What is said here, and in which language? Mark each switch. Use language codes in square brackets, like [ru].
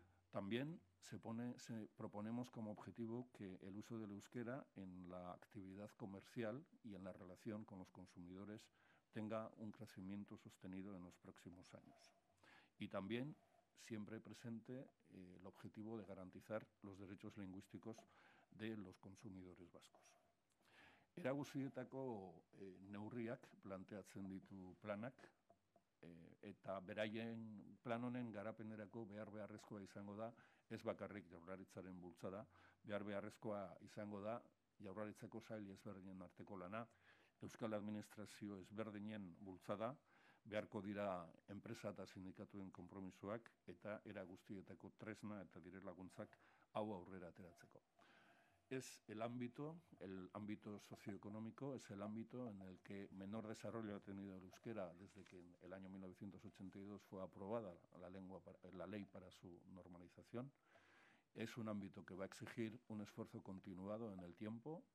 [es] También proponemos como objetivo que el uso del euskera en la actividad comercial y en la relación con los consumidores tenga un crecimiento sostenido en los próximos años. Y también siempre presente el objetivo de garantizar los derechos lingüísticos de los consumidores vascos. [eu] Era guztietako neurriak planteatzen ditu planak, eta beraien plan honen garapenerako behar beharrezkoa izango da, ez bakarrik Jaurlaritzaren bultzada, behar beharrezkoa izango da Jaurlaritzako sail ezberdinen arteko lana, euskal administrazio ezberdinen bultzada, beharko dira enpresa eta sindikatuen konpromisoak, eta era guztietako tresna eta dire laguntzak hau aurrera ateratzeko. [es] Es el ámbito socioeconómico, es el ámbito en el que menor desarrollo ha tenido el euskera desde que en el año 1982 fue aprobada la ley para su normalización. Es un ámbito que va a exigir un esfuerzo continuado en el tiempo.